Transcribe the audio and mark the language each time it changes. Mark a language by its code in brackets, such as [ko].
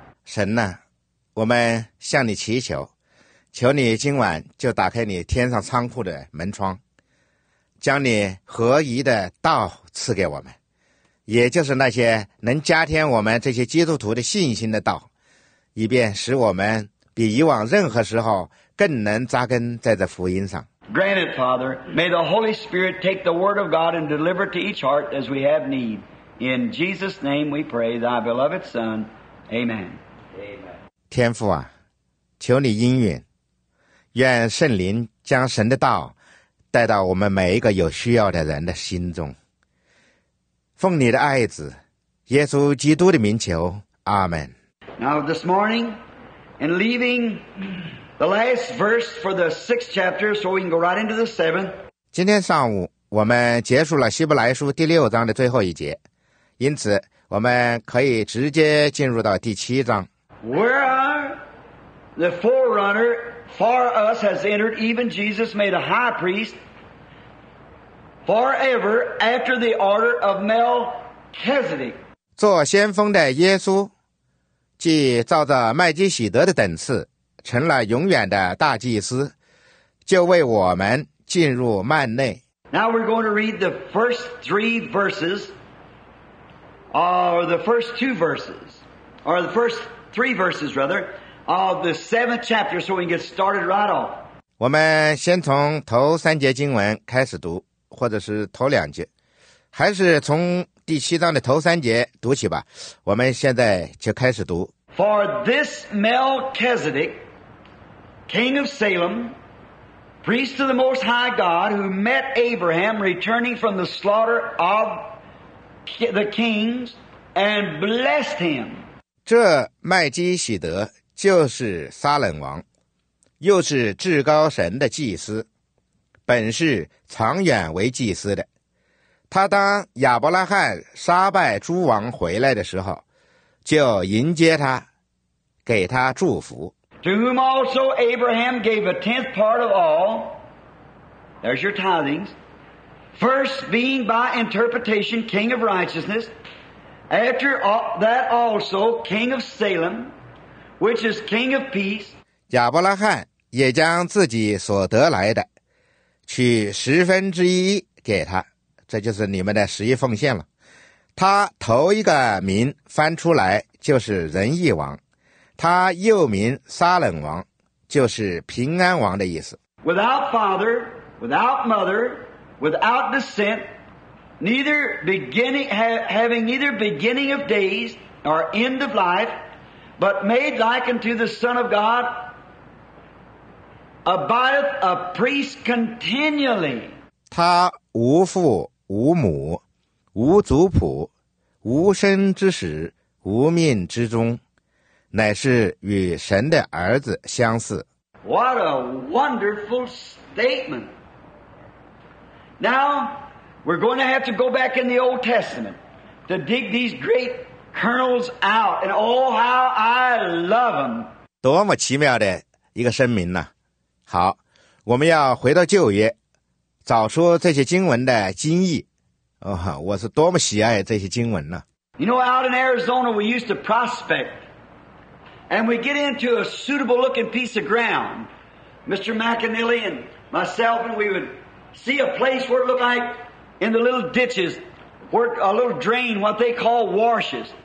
[zh] 神呐，我们向你祈求，求你今晚就打开你天上仓库的门窗，将你合宜的道赐给我们，也就是那些能加添我们这些基督徒的信心的道，以便使我们比以往任何时候更能扎根在这福音上。 [en] Grant it, Father. May the Holy Spirit take the Word of God and deliver it to each heart as we have need. In Jesus' name we pray, thy beloved Son. Amen. [zh] 天父啊，求你应允，愿圣灵将神的道带到我们每一个有需要的人的心中。奉你的爱子耶稣基督的名求，阿们。 [en] Now this morning, and leaving the last verse for the sixth chapter, so we can go right into the seventh. [zh] 今天上午我们结束了希伯来书第六章的最后一节，因此我们可以直接进入到第七章。 [en] Where are the forerunner for us has entered, even Jesus made a high priest forever after the order of Melchizedek. [zh] 做先锋的耶稣既照着麦基洗德的等次成了永远的大祭司，就为我们进入幔内。 [en] Now we're going to read the first three verses, or the first two verses, or the first three verses rather, of the seventh chapter, so we can get started right off. [zh] 我们先从头三节经文开始读，或者是头两节，还是从第七章的头三节读起吧。我们现在就开始读。 [en] For this Melchizedek, king of Salem, priest of the Most High God, who met Abraham returning from the slaughter of the kings and blessed him. [zh] 这麦基洗德就是撒冷王，又是至高神的祭司，本是长远为祭司的。他当亚伯拉罕杀败诸王回来的时候，就迎接他，给他祝福。 [en] To whom also Abraham gave a tenth part of all, there's your tithings, first being by interpretation king of righteousness, after that also king of Salem, which is king of peace. [zh] 亚伯拉罕也将自己所得来的取十分之一给他，这就是你们的十一奉献了。他头一个名翻出来就是仁义王，他又名撒冷王，就是平安王的意思。 [en] Without father, without mother, without descent, neither beginning, having neither beginning of days nor end of life, but made like unto the Son of God, abideth a priest continually. [zh] 他无父无母，无族谱，无生之始，无命之终，乃是与神的儿子相似。 [en] What a wonderful statement! Now we're going to have to go back in the Old Testament to dig these great kernels out, and oh, how I love them! [zh] 多么奇妙的一个声明呢！好，我们要回到旧约，找出这些经文的精义。哦，我是多么喜爱这些经文呢 [en] ！You know, out in Arizona, we used to prospect. And we get into a suitable looking piece of ground. Mr. McAnally and myself, and we would see a place where it looked like in the little ditches, where a little drain, what they call washes.